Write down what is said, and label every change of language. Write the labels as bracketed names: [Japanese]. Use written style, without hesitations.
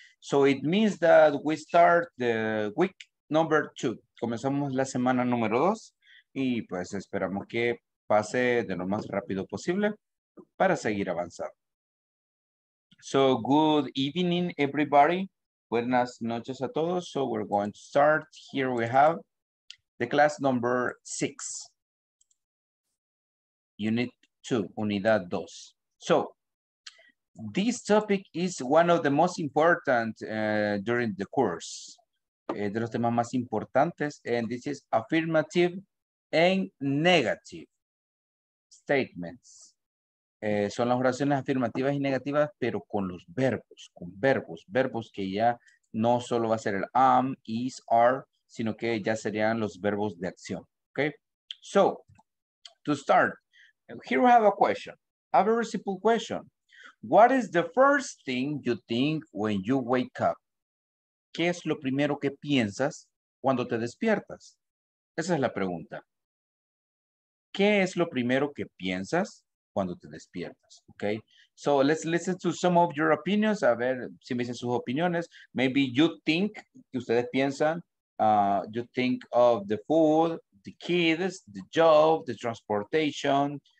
[English] So it means that we start the week number 2. [Spanish] Comenzamos la semana número 2. Y pues esperamos que pase de lo más rápido posible para seguir avanzando. [English] So good evening, everybody. [Spanish] Buenas noches a todos. [English] So we're going to start. Here we have the class number 6. Unit 2, [Spanish] unidad 2. [English] So this topic is one of the most important during the course. [Spanish] De los temas más importantes. [English] And this is affirmative and negative statements. [Spanish] Son las oraciones afirmativas y negativas, pero con los verbos, con verbos que ya no solo va a ser el am, is, are, sino que ya serían los verbos de acción. [English] Okay? So, to start, here we have a question. A very simple question. What is the first thing you think when you wake up? [Spanish] ¿Qué es lo primero que piensas cuando te despiertas? Esa es la pregunta. ¿Qué es lo primero que piensas cuando te despiertas? [English] Okay. So let's listen to some of your opinions. [Spanish] A ver si me dicen sus opiniones. [English] Maybe you think, [Spanish] que ustedes piensan, [English] you think of the food, the kids, the job, the transportation.